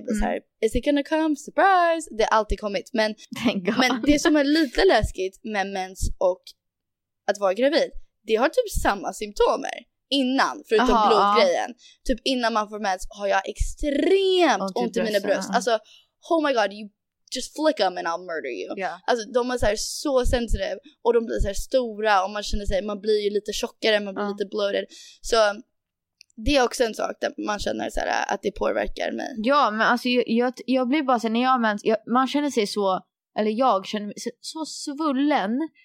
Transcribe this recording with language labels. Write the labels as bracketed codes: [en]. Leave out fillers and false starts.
[sv] Jag blir så här, [en] is it gonna come? Surprise! [sv] Det har alltid kommit. Men det som är lite läskigt med mens och att vara gravid, det har typ samma symptomer innan, förutom blodgrejen. Typ innan man får mens har jag extremt ont i mina bröst. Alltså, [en] oh my god, you just flick them and I'll murder you. Yeah. [sv] Alltså, de är så här så sensitive och de blir så här stora och man känner sig, man blir ju lite tjockare, man blir lite bloated. Så det är också en sak där man känner så här att det påverkar mig. Ja, men alltså jag blir bara så här, när jag har mens, man känner sig så, eller jag känner mig så svullen.